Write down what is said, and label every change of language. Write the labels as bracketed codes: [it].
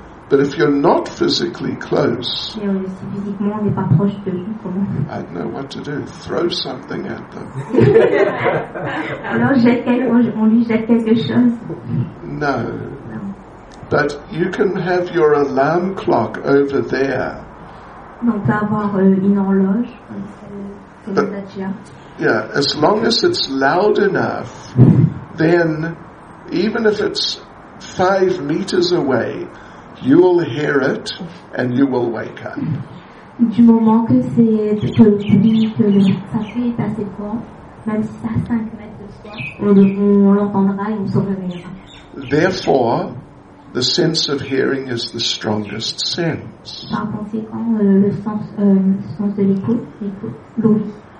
[en] But if you're not physically close, [fr] si physiquement on n'est pas proche de lui, comment? [en] I don't know what to do. Throw something at them. [fr] Alors on lui jette quelque chose. [en] No. But you can have your alarm clock over there. [fr] On peut avoir une horloge. [en] But, yeah, as long as it's loud enough, then even if it's 5 meters away, you will hear it and you will wake up. [fr] Du moment que c'est que le public ça fait assez fort, même si c'est à 5 mètres de soi, on l'entendra et on se réveillera. [en] Therefore, the sense of hearing is the strongest sense. [fr] Par conséquent, le sens de l'écoute, l'ouïe.